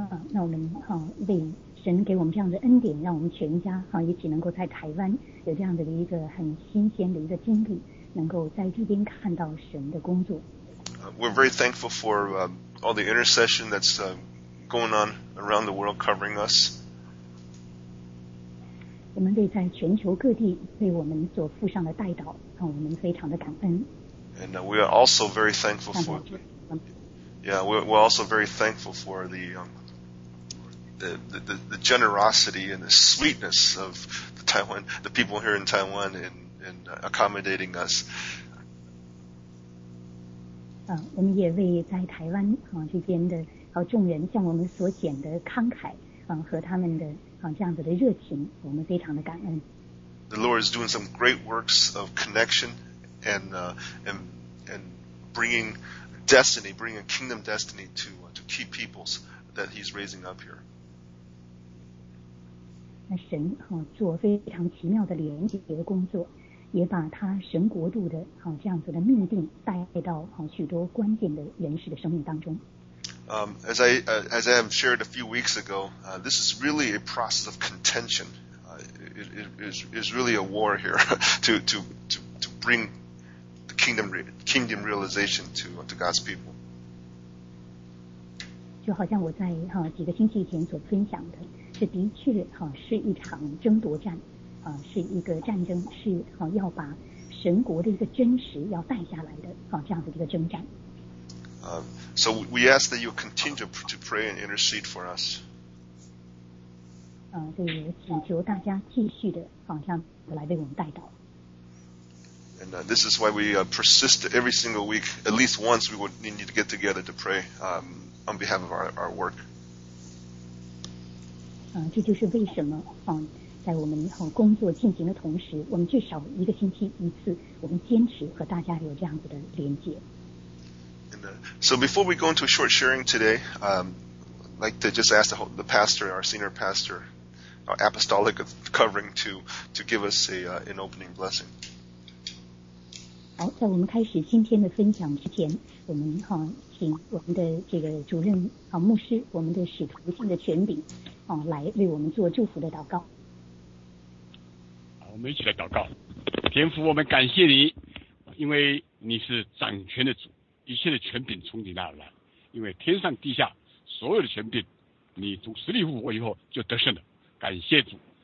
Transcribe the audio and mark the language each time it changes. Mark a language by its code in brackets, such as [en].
[zh] 那我们为神给我们这样的恩典，让我们全家一起能够在台湾有这样的一个很新鲜的一个经历，能够在这边看到神的工作。 [en] We're very thankful for all the intercession that's going on around the world covering us. [zh] 我们对在全球各地为我们所付上的代祷，我们非常的感恩。 [en] And we are also very thankful for. Yeah, we're also very thankful for the generosity and the sweetness of the Taiwan, the people here in Taiwan, in accommodating us. [zh] 我们也为在台湾这边的众人向我们所显的慷慨和他们的这样子的热情，我们非常的感恩。 [en] The Lord is doing some great works of connection and bringing destiny, bringing a kingdom destiny to key peoples that He's raising up here. [zh] 那神做非常奇妙的连结的工作。也把他神国度的这样子的命定带到许多关键的人士的生命当中。 [en] As I have shared a few weeks ago, this is really a process of contention. It is really a war here to bring the kingdom realization to God's people. [zh] 就好像我在几个星期以前所分享的，这的确是一场争夺战。是一个战争，是要把神国的一个真实要带下来的这样的一个征战。 [en] So we ask that you continue to pray and intercede for us. [zh] 所以请求大家继续的来为我们代祷。 [en] And this is why we persist every single week, at least once we would need to get together to pray on behalf of our work. [zh] 这就是为什么在我们工作进行的同时，我们至少一个星期一次，我们坚持和大家有这样子的连接。 [en] And, so before we go into a short sharing today, I'd like to just ask the pastor, our senior pastor, our apostolic covering to give us an opening blessing. [zh] 好，在我们开始今天的分享之前，我们请我们的这个主任牧师，我们的使徒性的权柄来为我们做祝福的祷告。我们一起来祷告。天父，我们感谢你，因为你是掌权的主，一切的权柄从你那儿来，因为天上地下所有的权柄你从死里复活以后就得胜了。感谢主。